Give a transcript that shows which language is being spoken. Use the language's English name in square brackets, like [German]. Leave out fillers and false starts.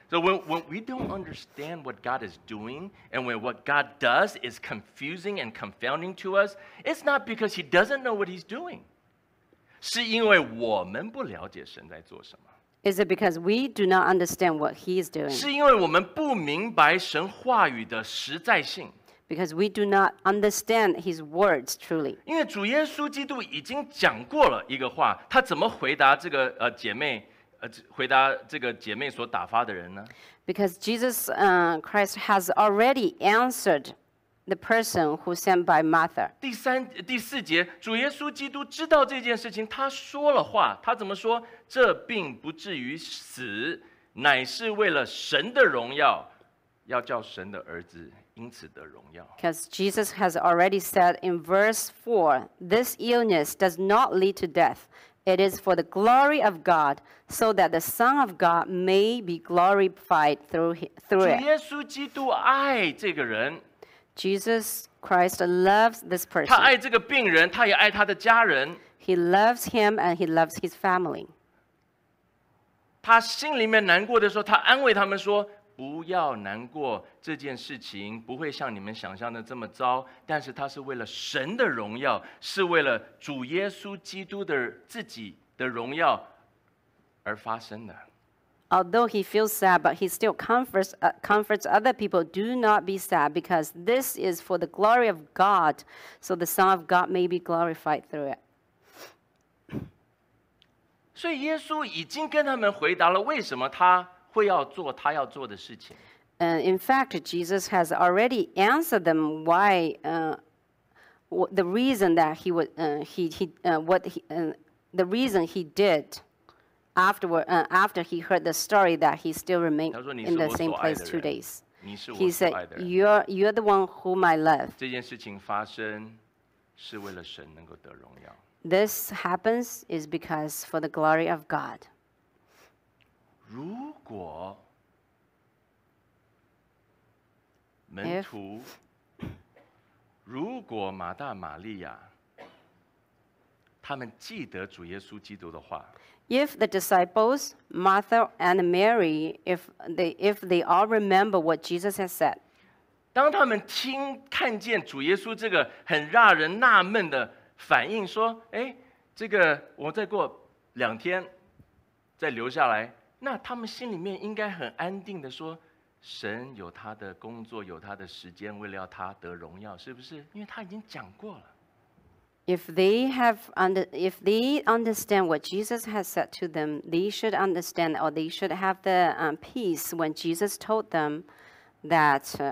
[English] So when we don't understand what God is doing and when what God does is confusing and confounding to us, it's not because he doesn't know what he's doing. [Chinese] 是因为我们不了解神在做什么。 [English] Is it because we do not understand what he is doing? [Chinese] 是因为我们不明白神话语的实在性。 [English] Because we do not understand his words truly. [Chinese] 因为主耶稣基督已经讲过了一个话，他怎么回答这个姐妹回答这个姐妹所打发的人呢 [English] ？Because Jesus Christ has already answered the person who sent by Martha. [Chinese] 第四节，主耶稣基督知道这件事情，他说了话。他怎么说？这病不至于死，乃是为了神的荣耀，要叫神的儿子因此得荣耀。 [English] Because Jesus has already said in verse 4, this illness does not lead to death. It is for the glory of God, so that the Son of God may be glorified through it. [Chinese] 主耶稣基督爱这个人。 [English] Jesus Christ loves this person. [Chinese] 他爱这个病人，他也爱他的家人。 [English] He loves him and he loves his family. [Chinese] 他心里面难过的时候，他安慰他们说：“不要难过，这件事情不会像你们想象的这么糟。但是他是为了神的荣耀，是为了主耶稣基督的自己的荣耀而发生的。 [English] Although he feels sad, but he still comforts other people. Do not be sad, because this is for the glory of God, so the Son of God may be glorified through it. [Chinese] 所以耶稣已经跟他们回答了为什么他。会要做他要做的事情。 [English] In fact, Jesus has already answered them why, the reason that he would, the reason he did after he heard the story that he still remained in the same place 2 days. He said, "You're the one whom I love." [Chinese] 这件事情发生是为了神能够得荣耀。 [English] This happens is because for the glory of God. [Chinese] 如果门徒，如果马大、玛利亚，他们记得主耶稣基督的话 [English] ，If the disciples Martha and Mary, if they all remember what Jesus has said, [Chinese] 当他们听看见主耶稣这个很让人纳闷的反应，说：“哎，这个我再过两天再留下来。” 那他们心里面应该很安定的说：“神有他的工作，有他的时间，为了要他得荣耀，是不是？因为他已经讲过了。” [English] If they understand what Jesus has said to them, they should understand, or they should have the peace when Jesus told them that